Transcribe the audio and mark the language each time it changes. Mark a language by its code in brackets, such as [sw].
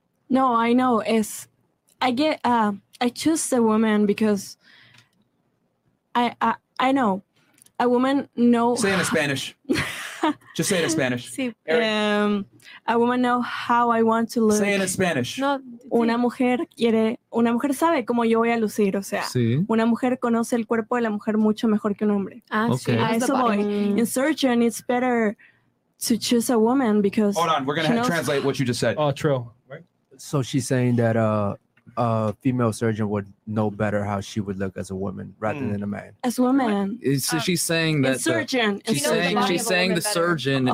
[en] No, I know. I choose a woman because I know a woman knows. Say in Spanish. Just say it in Spanish. [es] Sí. [en] A woman know how I want to look. Say it in Spanish. [es] No, una mujer quiere, una mujer sabe cómo yo voy a lucir, o sea, sí. Una mujer conoce el cuerpo de la mujer mucho mejor que un hombre. Ah, okay. Sí. A eso voy. [en] In surgeon, it's better to choose a woman because... Hold on, we're going to have to translate what you just said. Oh, true. So she's saying that a female surgeon would know better how she would look as a woman rather than a man. As a woman. So she's saying that the surgeon